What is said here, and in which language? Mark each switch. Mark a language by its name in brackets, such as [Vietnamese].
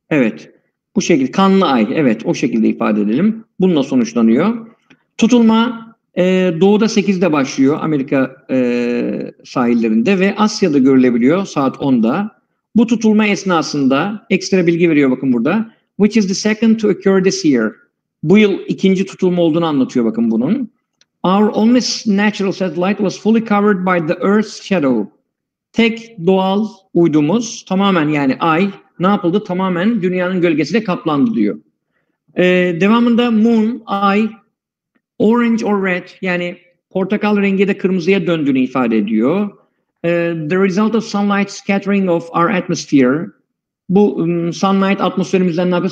[Turkish] Evet. Bu şekilde kanlı ay. Evet, o şekilde ifade edelim. Bununla sonuçlanıyor. Tutulma doğuda 8'de başlıyor Amerika sahillerinde ve Asya'da görülebiliyor saat 10'da. Bu tutulma esnasında ekstra bilgi veriyor bakın burada. [English] Which is the second to occur this year. [Turkish] Bu yıl ikinci tutulma olduğunu anlatıyor bakın bunun. [English] Our only natural satellite was fully covered by the Earth's shadow. [Turkish] Tek doğal uydumuz tamamen yani ay ne yapıldı? Tamamen dünyanın gölgesiyle kaplandı diyor. Devamında moon, ay, [English] orange or red [Turkish] yani portakal rengi de kırmızıya döndüğünü ifade ediyor. [English] The result of sunlight scattering of our atmosphere. [Turkish] Bu sunlight atmosferimizden ne yapıyor?